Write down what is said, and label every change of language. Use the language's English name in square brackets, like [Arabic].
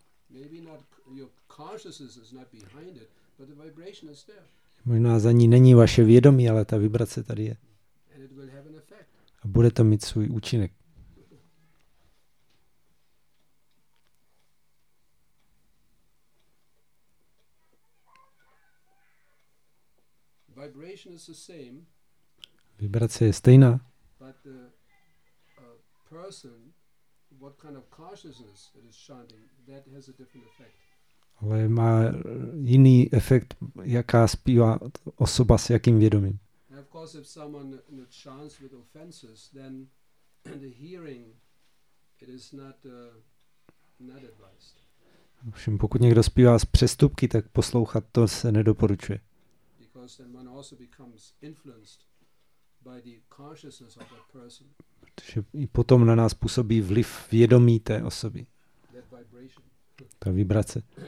[English] Maybe not your consciousness is not behind it, but the vibration is there. [Czech] Možná za ní není vaše vědomí, ale ta vibrace tady je. [English] And it will have an effect. [Czech] A bude to mít svůj účinek. [English] Vibration is the same. [Czech] Vibrace je stejná. [English] But the person, what kind of consciousness it is chanting, that has a different effect. [Czech] Ale má jiný efekt, jaká zpívá osoba s jakým vědomím. [English] And of course, if someone chants with offenses, then the hearing, it is not advised. [Czech] Ovšem, pokud někdo zpívá s přestupky, tak poslouchat to se nedoporučuje. [English] Because then one also becomes influenced by the consciousness of that person. [Czech] Protože i potom na nás působí vliv vědomí té osoby. Ta vibrace.